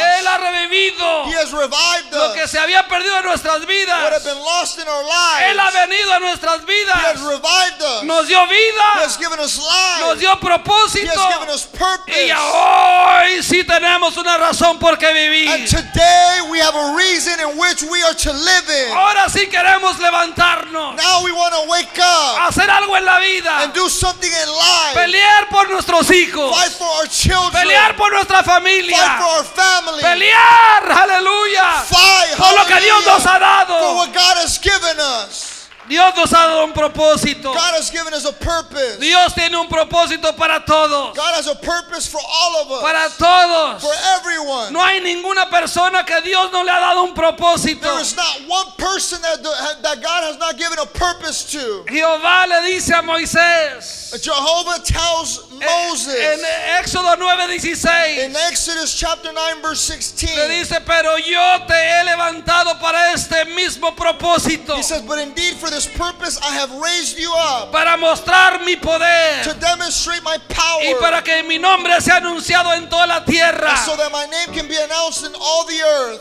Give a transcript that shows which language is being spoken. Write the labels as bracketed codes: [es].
[es] Él ha revivido. [en] He has revived [es] lo que se había perdido en nuestras vidas. [en] What had been lost in our lives. [es] Él ha venido a nuestras vidas. [en] He has revived us. [es] Nos dio vida. [en] He has given us life. [es] Nos dio propósito. [en] He has given us purpose. [es] Y hoy sí tenemos una razón por qué vivir. [en] And today we have a reason in which we are to live in. [es] Ahora sí queremos levantarnos. [en] Now we want to wake up. [es] Hacer algo en la vida. [en] And do something in life. [es] Pelear por nuestros hijos. [en] Fight for our children. [es] Pelear por nuestra familia. [en] Fight for our family. [es] Pelear, aleluya. [en] Fight, [es] por lo que Dios nos ha dado. [en] For what God has given us. [es] Dios nos ha dado un propósito. [en] God has given us a purpose. [es] Dios tiene un propósito para todos. [en] God has a purpose for all of us. [es] Para todos. [en] For everyone. [es] No hay ninguna persona que Dios no le ha dado un propósito. [en] There is not one person that God has not given a purpose to. [es] Jehová le dice a Moisés. [en] Jehovah tells Moses. [es] En Éxodo 9:16. [en] In Exodus chapter 9 verse 16. [es] Le dice, pero yo te he levantado para este mismo propósito. [en] He says, but indeed for this purpose I have raised you up. [es] Para mostrar mi poder. [en] To demonstrate my power. [es] Y para que mi nombre sea anunciado en toda la tierra. [en] So that my name can be announced in all the earth.